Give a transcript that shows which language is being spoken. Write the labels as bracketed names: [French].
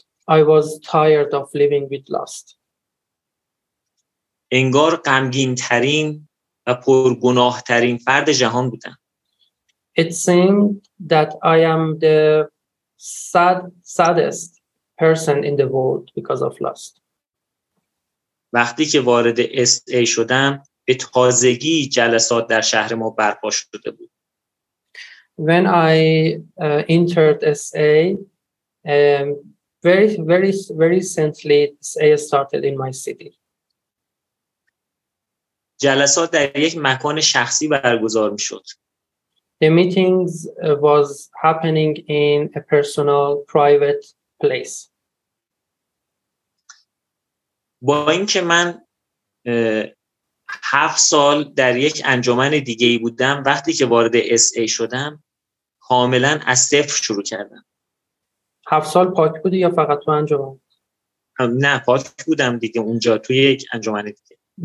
[English] I was tired of living with lust. [Persian] انگار غمگین ترین و پرگناه ترین فرد جهان بودم. [English] It seemed that I am the saddest person in the world because of lust. [Persian] وقتی که وارد SA شدم به تازگی جلسات در شهر ما برپا شده بود. [English] When I entered SA, very very very recently SA started in my city. [Persian] جلسات در یک مکان شخصی برگزار می‌شد. [English] The meetings was happening in a personal, private place. [Persian] با اینکه من 7 سال در یک انجمن دیگه‌ای بودم، وقتی که وارد SA شدم، کاملاً از صفر شروع کردم. 7 سال پاک بودی یا فقط تو انجمن؟ نه، پاک بودم دیگه اونجا توی یک انجمن دیگه.